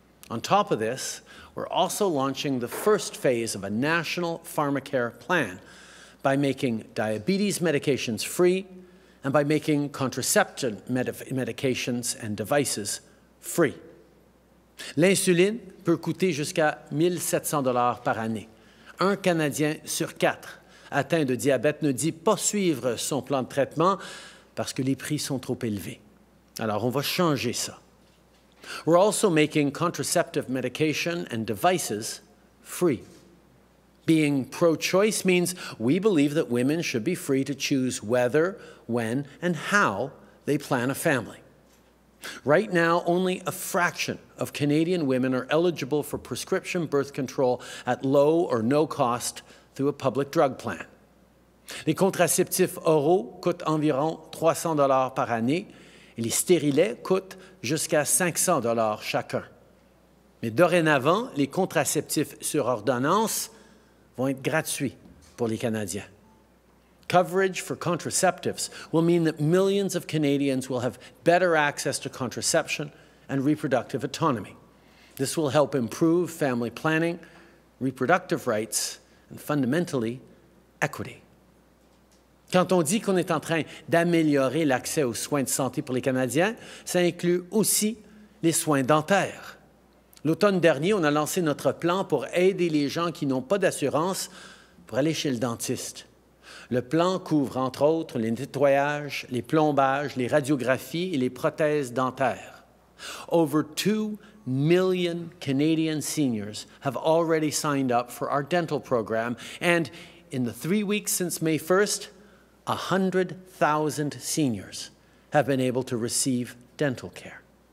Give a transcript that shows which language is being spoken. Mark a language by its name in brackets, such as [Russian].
[English] On top of this, we're also launching the first phase of a national pharmacare plan by making diabetes medications free and by making contraception medications and devices free. [French] L'insuline peut coûter jusqu'à $1,700 par année. Un Canadien sur quatre atteint de diabète ne dit pas suivre son plan de traitement parce que les prix sont trop élevés. Alors, on va changer ça. [English] We're also making contraceptive medication and devices free. Being pro-choice means we believe that women should be free to choose whether, when, and how they plan a family. Right now, only a fraction of Canadian women are eligible for prescription birth control at low or no cost through a public drug plan. [French] Les contraceptifs oraux coûtent environ $300 par année. Et les stérilets coûtent jusqu'à $500 chacun. Mais dorénavant, les contraceptifs sur ordonnance vont être gratuits pour les Canadiens. [English] Coverage for contraceptives will mean that millions of Canadians will have better access to contraception and reproductive autonomy. This will help improve family planning, reproductive rights, and fundamentally, equity. [French] Quand on dit qu'on est en train d'améliorer l'accès aux soins de santé pour les Canadiens, ça inclut aussi les soins dentaires. L'automne dernier, on a lancé notre plan pour aider les gens qui n'ont pas d'assurance pour aller chez le dentiste. Le plan couvre, entre autres, les nettoyages, les plombages, les radiographies et les prothèses dentaires. [English] Over 2 million Canadian seniors have already signed up for our dental program, and in the 3 weeks since May 1st, 100,000 seniors have been able to receive dental care.